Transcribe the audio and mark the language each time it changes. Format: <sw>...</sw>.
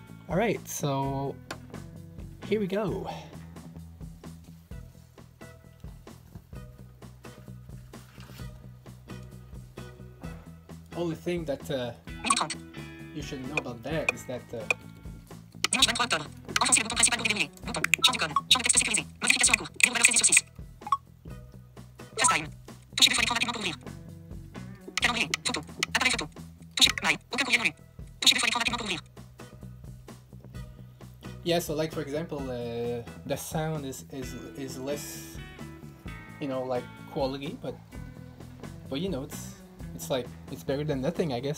<en>All right, so here we go. Only thing that you should know about that is that</en> <fr>dimanche 23 octobre, enfoncez le bouton principal pour déverrouiller. Bouton, champ du code, champ de texte sécurisé, modification en cours, zéro valeur 16 sur 6. Fast time, touchez deux fois l'écran rapidement pour ouvrir. Calendrier, photo, appareil photo, touchez, mail, aucun courrier non lu. Touchez deux fois l'écran rapidement pour ouvrir.</fr> <en>Yeah, so like for example, the sound is less, you know, like quality, but you know, it's like it's better than nothing, I guess.</en>